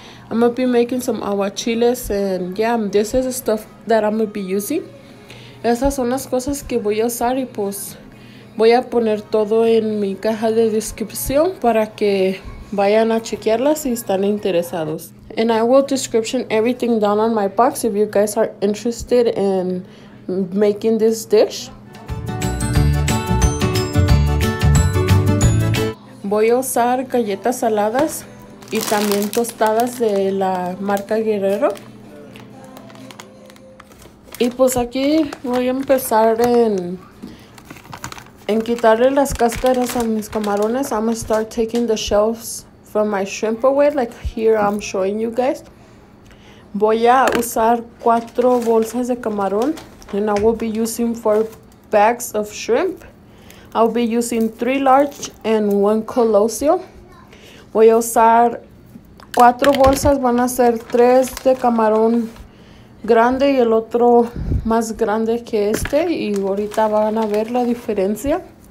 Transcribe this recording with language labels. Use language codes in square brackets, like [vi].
[en] I'm gonna be making some aguachiles and yeah, this is the stuff that I'm gonna be using. [es] Esas son las cosas que voy a usar y pues voy a poner todo en mi caja de descripción para que vayan a chequearlas si están interesados. [en] And I will description everything down on my box if you guys are interested in making this dish. [es] Voy a usar galletas saladas y también tostadas de la marca Guerrero. Y pues aquí voy a empezar en quitarle las cáscaras a mis camarones. [en] I'm gonna start taking the shells from my shrimp away, like here I'm showing you guys. [es] Voy a usar 4 bolsas de camarón. [en] And I will be using 4 bags of shrimp. I'll be using 3 large and 1 colosio. [es] Voy a usar 4 bolsas, van a ser 3 de camarón grande y el otro más grande que este, y ahorita van a ver la diferencia.